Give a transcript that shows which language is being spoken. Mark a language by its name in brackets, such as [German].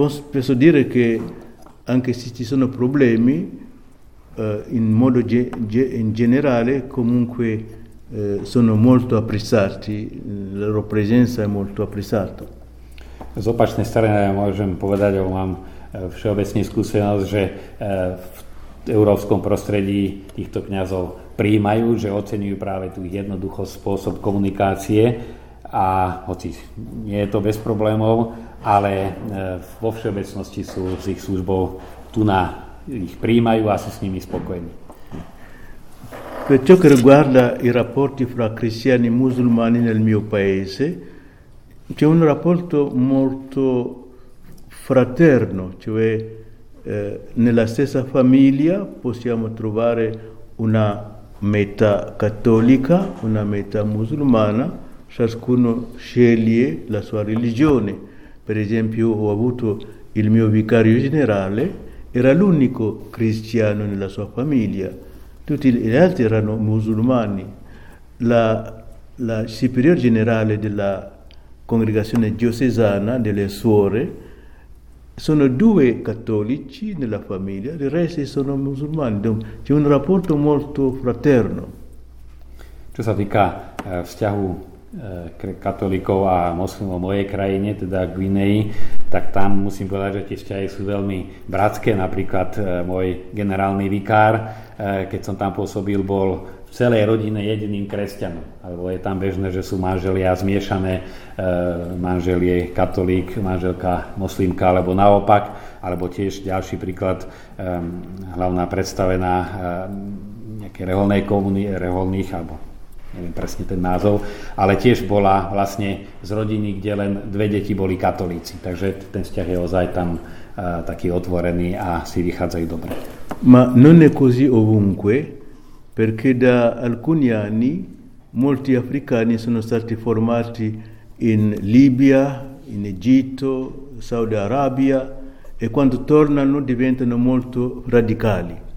[Italian] Posso dire che anche se ci sono problemi, in generale comunque sono molto apprezzati, la loro presenza è molto apprezzata. [Slovak] Z opačnej strany môžem povedať, alebo mám všeobecnú skúsenosť, že v európskom prostredí týchto kňazov prijímajú, že oceňujú práve tú jednoduchosť, spôsob komunikácie, a hoci nie je to bez problémov, ale vo všeobecnosti sú s ich službou tu na ich prijímajú a sú s nimi spokojní. [Italian] Per ciò che riguarda i rapporti fra cristiani e musulmani nel mio paese, c'è un rapporto molto fraterno, cioè nella stessa famiglia possiamo trovare una metà cattolica, una metà musulmana, ciascuno sceglie la sua religione. Per esempio, ho avuto il mio vicario generale, era l'unico cristiano nella sua famiglia. Tutti gli altri erano musulmani. La superiore generale della congregazione diocesana, delle suore, sono due cattolici nella famiglia, il resto sono musulmani. C'è un rapporto molto fraterno. [Slovak] Ciò sa dica vzťahu katolíkov a moslimov mojej krajine, teda Guinei, tak tam musím povedať, že tie vzťahy sú veľmi bratské. Napríklad môj generálny vikár, keď som tam pôsobil, bol v celej rodine jediným kresťanom. Alebo je tam bežné, že sú manželia zmiešané, manžel je katolík, manželka moslimka, alebo naopak. Alebo tiež ďalší príklad, hlavná predstavená nejaké reholnej komuny, reholných, alebo neviem presne ten názov, ale tiež bola vlastne z rodiny, kde len dve deti boli katolíci. Takže ten vzťah je ozaj tam taký otvorený a si vychádzajú dobre. [Italian] Ma non è così ovunque, perché da alcuni anni molti africani sono stati formati in Libia, in Egitto, Saudi Arabia, e quando tornano diventano molto radicali.